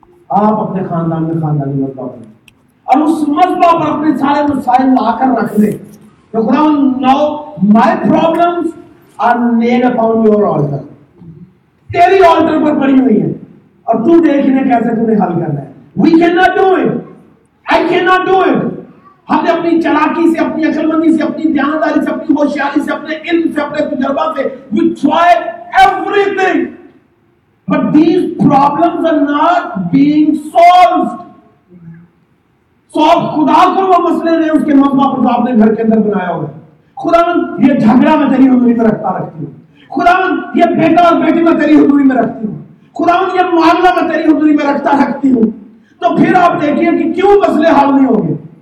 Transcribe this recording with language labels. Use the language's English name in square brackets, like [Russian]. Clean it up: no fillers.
[Urdu] آپ اپنے خاندان میں خاندانی مسئلہ پہ اور اس مسئلہ پر اپنے سارے مسائل لا کر رکھ لیں تو خدا [English] no my problems are laid upon your altar, [Urdu] تیری آلٹر پر پڑی ہوئی ہے اور تو دیکھ لیں کیسے تمہیں حل کرنا ہے. [English] We cannot do it. I cannot do it. [Urdu] ہم نے اپنی چلاکی سے, اپنی عقل مندی سے, اپنی دیانتداری سے, اپنی ہوشیاری سے, اپنے علم سے, اپنے تجربہ سے, [English] we try everything. But these problems are not being solved. [Urdu] So خدا کو وہ مسئلے نے اس کے مسئلہ پر جو آپ نے گھر کے اندر بنایا ہوگا. خدا یہ جھگڑا میں تیری حضوری میں رکھتا رکھتی ہوں. خدا یہ بیٹا اور بیٹی میں تیری حضوری میں رکھتی ہوں. خدا یہ معاملہ میں تیری حضوری میں رکھتا رکھتی ہوں. تو پھر آپ دیکھیے کہ کیوں مسئلے حل نہیں ہوں گے.